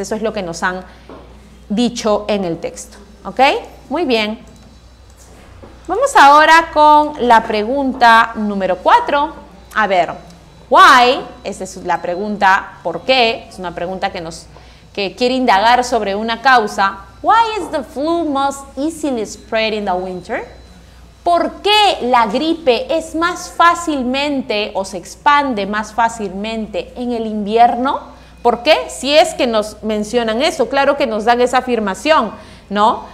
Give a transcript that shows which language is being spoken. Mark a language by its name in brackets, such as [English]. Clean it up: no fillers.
[Spanish] Eso es lo que nos han dicho en el texto. ¿Ok? Muy bien. Vamos ahora con la pregunta número 4. A ver, why, esa es la pregunta, ¿por qué? Es una pregunta que quiere indagar sobre una causa. [English] Why is the flu most easily spread in the winter? [Spanish] ¿Por qué la gripe es más fácilmente o se expande más fácilmente en el invierno? ¿Por qué? Si es que nos mencionan eso, claro que nos dan esa afirmación, ¿no?